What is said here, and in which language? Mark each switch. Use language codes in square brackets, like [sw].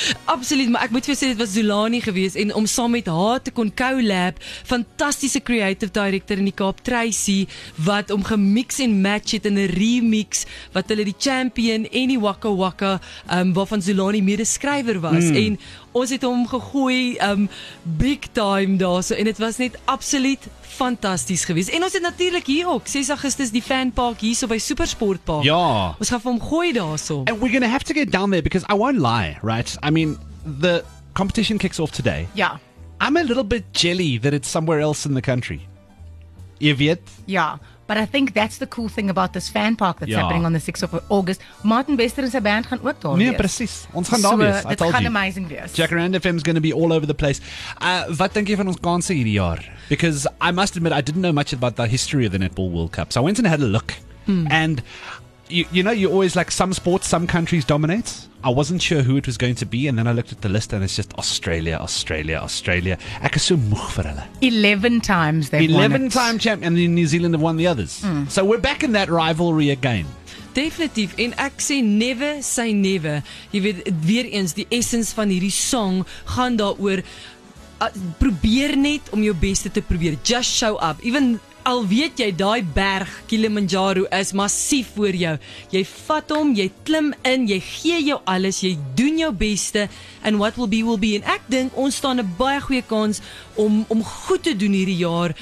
[af] Absoluut, maar ek moet vir sê, dit was Zulani gewees. En om saam met haar te kon collab, fantastiese creative director in die Kaap, Tracy, wat om gemix en match het in 'n remix, wat hulle die champion en die waka waka, waarvan Zulani medeskrywer was. En ons het hom gegooi big time daar so, en het was net absoluut fantasties gewees. En ons het natuurlik hier ook 6 Augustus die fanpark hier so by Supersportpark. Ja. Ons gaan vir hom gooi daar so. [en] And we're gonna have to get down there because I won't lie, right? I mean, the competition kicks off today. Yeah. I'm a little bit jelly that it's somewhere else in the country. [af] Jy weet? Ja. [en] But I think that's the cool thing about this fan park that's happening on the 6th of August. [af] Martin Bester en sy band gaan ook daar wees. Nee, precies. Ons gaan daar wees. Dit gaan amazing wees. [en] Jacaranda FM is going to be all over the place. [af] Wat dink jy van ons kanse hierdie jaar? [en] Because I must admit, I didn't know much about the history of the Netball World Cup. So I went and had a look. And you know, you always like some sports, some countries dominate. I wasn't sure who it was going to be, and then I looked at the list, and it's just Australia, Australia, Australia. 11 times they've 11 won it. Time champion, and New Zealand have won the others. So we're back in that rivalry again. [af] Definitief, en ek sê [en] never say never. [af] Jy weet, weer eens, die essence van hierdie song gaan daar oor, probeer net om jou beste te probeer. [en] Just show up. [af] Even al weet jy, die berg Kilimanjaro is massief voor jou. Jy vat hom, jy klim in, jy gee jou alles, jy doen jou beste, [en] and what will be, [af] en ek dink, ons staan 'n baie goeie kans om goed te doen hierdie jaar.